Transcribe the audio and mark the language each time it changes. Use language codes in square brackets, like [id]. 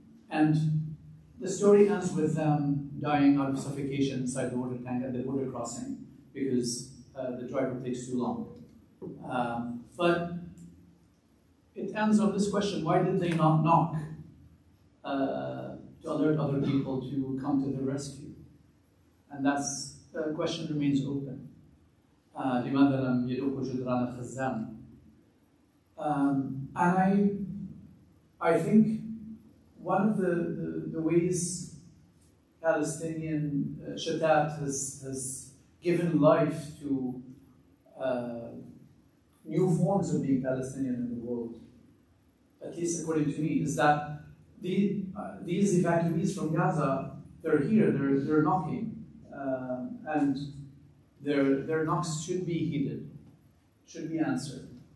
[en] And the story ends with them dying out of suffocation inside the water tank at the border crossing, because the driver takes too long. But it ends on this question: why did they not knock to alert other people to come to the rescue? And that's the question remains open. [ar] لماذا لم يدق جدران الخزان? [en] And I think one of the ways Palestinian Shadat has given life to new forms of being Palestinian in the world, at least according to me, is that these evacuees from Gaza, they're here, they're knocking, and their knocks should be heeded, should be answered.